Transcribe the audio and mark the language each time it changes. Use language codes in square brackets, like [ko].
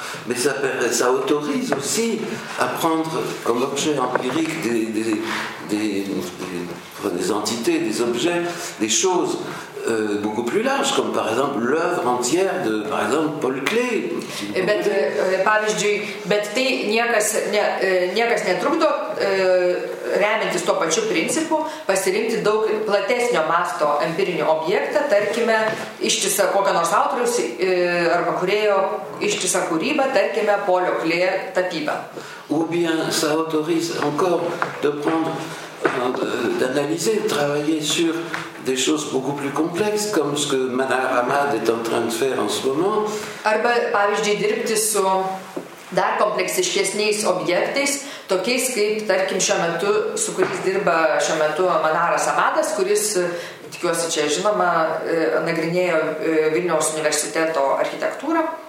[fr] Mais ça autorise aussi à prendre comme objet empirique des entités, des objets, des choses beaucoup plus large, comme par exemple l'œuvre entière de, par exemple, Paul Klee. [lt] Bet, pavyzdžiui, bet tai niekas, ne, niekas netrukdo remiantis tuo pačiu principu pasirinkti daug platesnio masto empirinio objektą, tarkime, ištisą kokio nors autoriaus arba kūrėjo ištisą kūrybą, tarkime, Paulio Klee tapybą. [fr] Ou bien ça autorise encore de prendre d'analyser, de travailler sur des choses beaucoup plus complexes comme ce que Manar Ahmad est en train de faire en ce moment. [lt] Arba, pavyzdžiui, dirbti su dar kompleksiškesniais objektais, tokiais kaip, tarkim, šiuo metu, su kuris dirba šiuo metu Manaras Ahmadas, kuris, tikiuosi čia žinoma, nagrinėjo Vilniaus universiteto architektūrą.